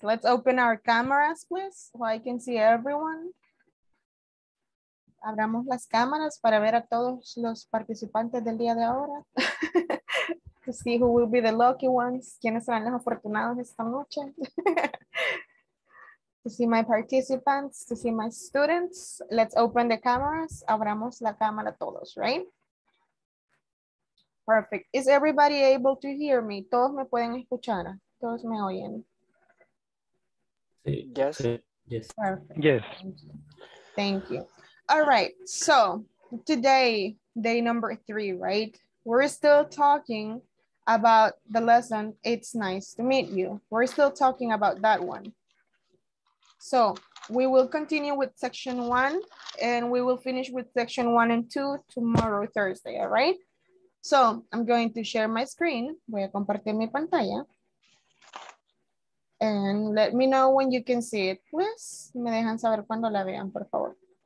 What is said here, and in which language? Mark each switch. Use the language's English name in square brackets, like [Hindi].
[English] Let's open our cameras, please, so I can see everyone. [Spanish] Abramos las cámaras para ver a todos los participantes del día de ahora. [English] To see who will be the lucky ones, [Spanish] quiénes serán los afortunados esta noche. [English] To see my participants, to see my students. Let's open the cameras. [Spanish] Abramos la cámara todos, right? [English] Perfect. Is everybody able to hear me? [Spanish] Todos me pueden escuchar. Todos me oyen. [English] Yes. Yes. Perfect. Yes. Thank you. All right. So today, day number three, right? We're still talking about the lesson, It's Nice to Meet You. We're still talking about that one. So we will continue with section one and we will finish with section one and two tomorrow, Thursday. All right. So, I'm going to share my screen. [Spanish] Voy a compartir mi pantalla. [English] And let me know when you can see it, please. [Spanish] Me dejan saber cuando la vean, por favor.